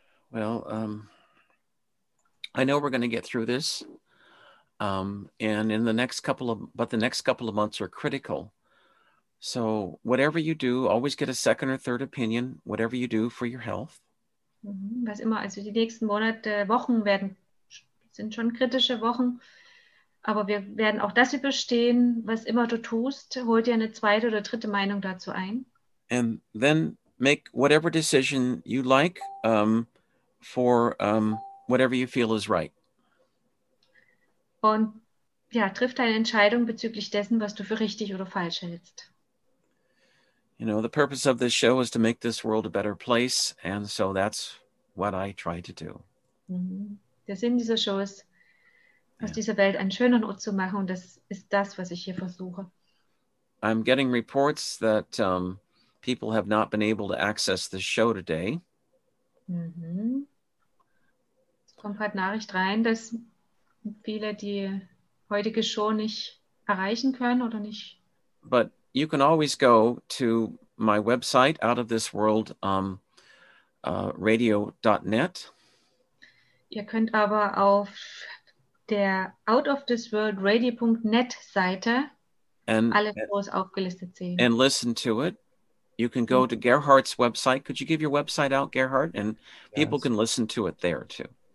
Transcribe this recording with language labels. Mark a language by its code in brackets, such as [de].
[en] Well, I know we're going to get through this, and in the next couple of, but the next couple of months are critical. So whatever you do, always get a second or third opinion, whatever you do for your health. [de] Was immer, also die nächsten Monate, Wochen werden, sind schon kritische Wochen, aber wir werden auch das überstehen, was immer du tust, hol dir eine zweite oder dritte Meinung dazu ein. [en] And then make whatever decision you like for... whatever you feel is right. [de] Und ja, triff deine Entscheidung bezüglich dessen, was du für richtig oder falsch hältst. [en] You know, the purpose of this show is to make this world a better place, and so that's what I try to do. [de] Der Sinn dieser Show ist, aus dieser Welt einen schöneren Ort zu machen, und das ist das, was ich hier versuche. [en] I'm getting reports that people have not been able to access the show today. [de] Kommt gerade Nachricht rein, dass viele die heutige Show nicht erreichen können oder nicht. [en] But you can always go to my website outofthisworldradio.net. [de] Ihr könnt aber auf der outofthisworldradio.net Seite alle Shows aufgelistet sehen. [en] And listen to it. You can go to Gerhard's website. Could you give your website out, Gerhard? And people can listen to it there too.